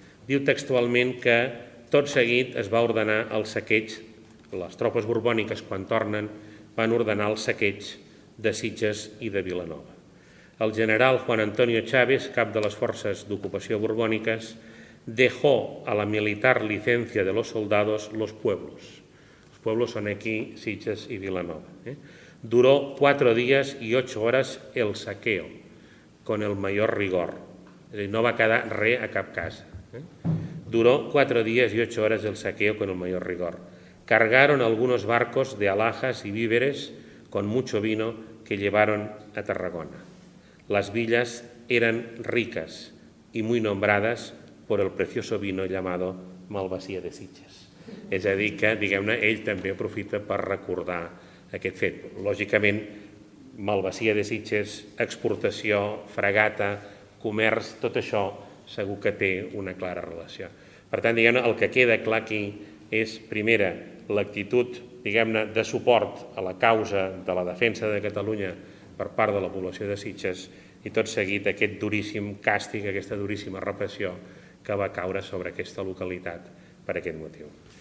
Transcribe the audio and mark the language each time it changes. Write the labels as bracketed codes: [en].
[ca] Diu textualment que tot seguit es va ordenar el saqueig, les tropes borbòniques quan tornen van ordenar el saqueig de Sitges i de Vilanova. [es] El general Juan Antonio Chávez, [ca] cap de les forces d'ocupació borbòniques, [es] dejó a la militar licencia de los soldados los pueblos. [ca] Els pueblos són aquí Sitges i Vilanova. [es] Duró 4 [ca] dies i 8 hores [es] el saqueo, con el mayor rigor. [ca] És a dir, no va quedar res a cap casa. [es] Duró 4 [ca] dies i 8 hores [es] el saqueo con el mayor rigor. Cargaron algunos barcos de alhajas y víveres con mucho vino que llevaron a Tarragona. Las villas eran ricas y muy nombradas por el precioso vino llamado Malvasía de Sitges. [ca] És a dir que, diguem-ne, ell també aprofita per recordar aquest fet. Lògicament, Malvasía de Sitges, exportació, fragata, comerç, tot això segur que té una clara relació. Per tant, diguem-ne, el que queda clar aquí és, primera, l'actitud, diguem-ne, de suport a la causa de la defensa de Catalunya per part de la població de Sitges i tot seguit aquest duríssim càstig, aquesta duríssima repressió que va caure sobre aquesta localitat per aquest motiu.